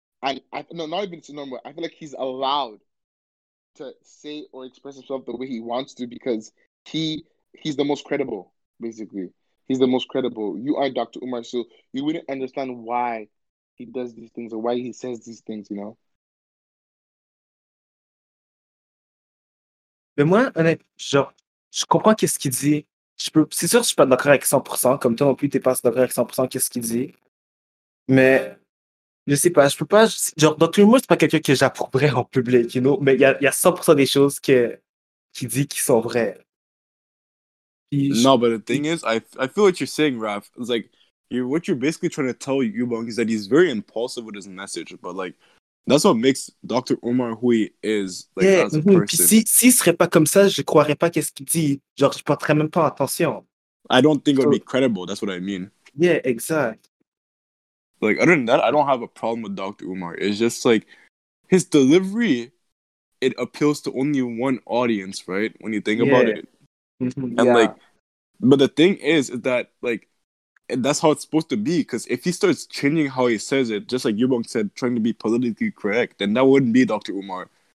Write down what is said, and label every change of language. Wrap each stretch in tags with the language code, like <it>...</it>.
<en>And I feel like he's allowed to say or express himself the way he wants to, because he's the most credible, basically. He's the most credible. You are Dr. Umar, so you wouldn't understand why he does these things, or why he says these things, you know?</en> <fr>Mais moi, honnêtement, genre, je comprends qu'est-ce qu'il dit. C'est sûr que je suis pas d'accord avec 100%, comme toi non plus, t'es pas d'accord avec 100% qu'est-ce qu'il dit. Mais, je sais pas, je peux pas... Genre, Dr. Umar, c'est pas quelqu'un que j'approuverais en public,</fr> <en>you know?</en> <fr>Mais il y a 100% des choses qu'il dit qui sont vraies.</fr> <en>No, but the thing is, I feel what you're saying, Raph. It's like, what you're basically trying to tell Eubank is that he's very impulsive with his message, but like, that's what makes Dr. Umar who he is, like, yeah, as a person.</en> <fr>Yeah, si serait pas comme ça, je croirais pas qu'est-ce qu'il dit. Genre, je porterais même pas attention.</fr> <en>I don't think it would be credible, that's what I mean. Yeah, exact. Like, other than that, I don't have a problem with Dr. Umar. It's just like, his delivery, it appeals to only one audience, right? When you think about it. And like, but the thing is that, like, and that's how it's supposed to be, because if he starts changing how he says it, just like Yubong said, trying to be politically correct, then that wouldn't be Dr. Umar.</en>